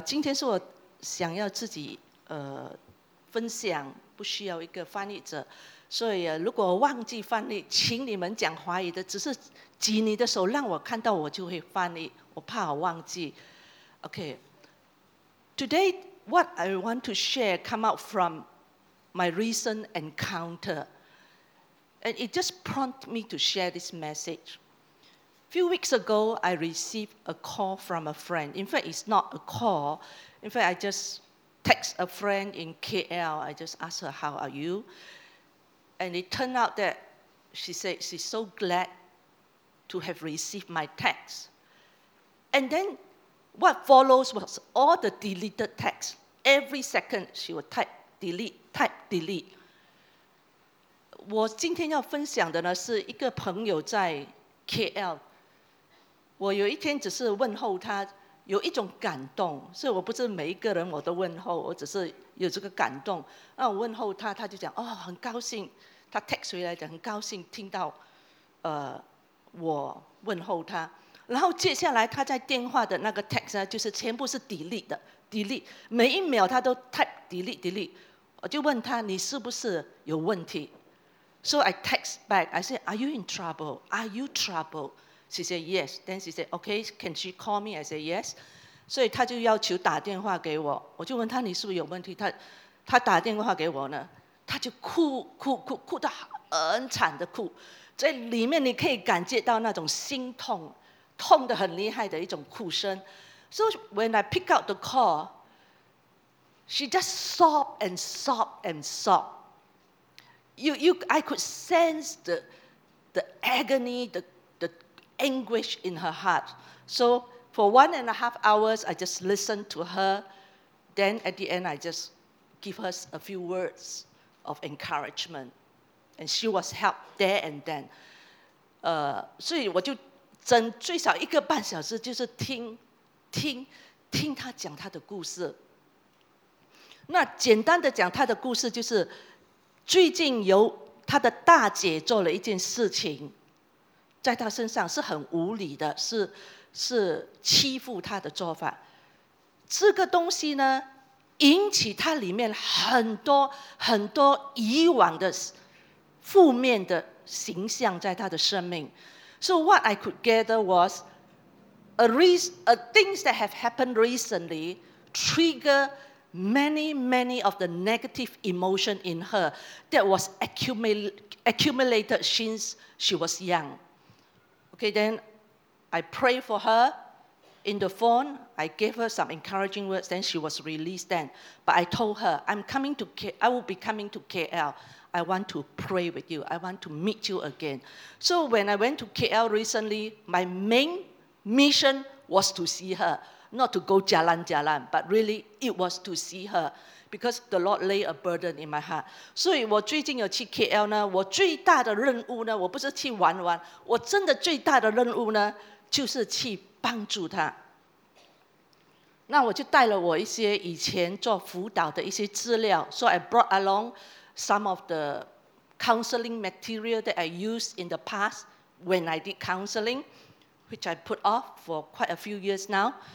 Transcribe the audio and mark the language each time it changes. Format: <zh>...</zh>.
<zh>今天是我想要自己分享，不需要一个翻译者。所以如果忘记翻译，请你们讲华语的，只是举你的手让我看到，我就会翻译，我怕我忘记。</zh> <en>Okay, today what I want to share come out from my recent encounter, and it just prompted me to share this message. Few weeks ago, I received a call from a friend. In fact, it's not a call. In fact, I just text a friend in KL. I just asked her, how are you? And it turned out that she said she's so glad to have received my text. And then what follows was all the deleted texts. Every second, she would type, delete, type, delete.</en> <zh>我今天要分享的呢，是一个朋友在 KL。我有一天只是问候他，有一种感动，所以我不是每一个人我都问候，我只是有这个感动。那我问候他，他就讲，哦，很高兴，他 text 回来讲，很高兴听到，我问候他。然后接下来他在电话的那个 text 呢，就是全部是 delete 的 ，delete， 每一秒他都 type delete delete。我就问他，你是不是有问题 ？</zh> <en>So I text back, I say, Are you in trouble? Are you trouble? She said yes. Then she said, "Okay, can she call me?" I said yes.</en> <zh>所以他就要求打电话给我。我就问他，你是不是有问题？他打电话给我呢，他就哭哭哭哭得很惨的哭，在里面你可以感觉到那种心痛，痛得很厉害的一种哭声。</zh> <en>So when I pick up the call, she just sob and sob and sob. I could sense the agony, the anguish in her heart. So for 1.5 hours, I just listened to her. Then at the end, I just give her a few words of encouragement. And she was helped there and then.</en> <zh>所以我就整最少一个半小时就是听她讲她的故事。那简单的讲她的故事就是，最近由她的大姐做了一件事情，在他身上是很无理的，是欺负他的做法。这个东西呢，引起他里面很多很多以往的负面的形象在他的生命。</zh> <en>So what I could gather was a things that have happened recently trigger many of the negative emotion in her that was accumulated since she was young. Okay, then I prayed for her in the phone. I gave her some encouraging words. Then she was released then. But I told her, I will be coming to KL. I want to pray with you. I want to meet you again. So when I went to KL recently, my main mission was to see her. Not to go jalan-jalan, but really it was to see her. Because the Lord laid a burden in my heart.</en> <zh>所以我最近有去 KL 呢，我最大的任务呢，我不是去玩玩，我真的最大的任务呢，就是去帮助他。那我就带了我一些以前做辅导的一些资料。</zh> <en>So I brought along some of the counseling material that I used in the past when I did counseling, which I put off for quite a few years now.</en>